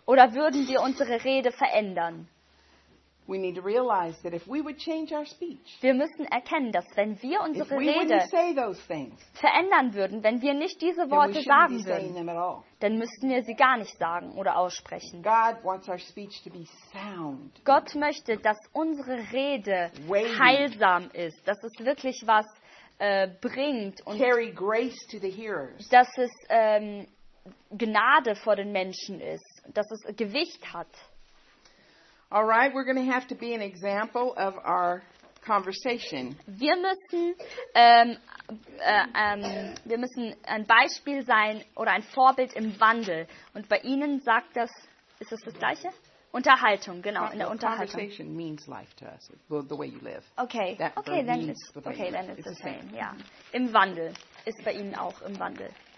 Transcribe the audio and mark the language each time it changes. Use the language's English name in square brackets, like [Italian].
[German] Oder würden wir unsere Rede verändern? [English] We need to realize that if we would change our speech. [German] Wir müssen erkennen, dass wenn wir unsere Rede [English] things, [German] verändern würden, wenn wir nicht diese Worte sagen würden, dann müssten wir sie gar nicht sagen oder aussprechen. [English] God wants our speech to be sound. [German] Gott möchte, dass unsere Rede heilsam ist, dass es wirklich was bringt und [English] carry grace to the hearers. [German] Dass es Gnade vor den Menschen ist, dass es Gewicht hat. [English] All right, we're going to have to be an example of our conversation. [German] Wir müssen ein Beispiel sein oder ein Vorbild im Wandel. Und bei Ihnen sagt das, ist das das Gleiche? Unterhaltung, genau, in der Unterhaltung. [English] Conversation means life to us, well, the way you live. Okay, then it's the same. Yeah. [German] Im Wandel, ist bei Ihnen auch im Wandel.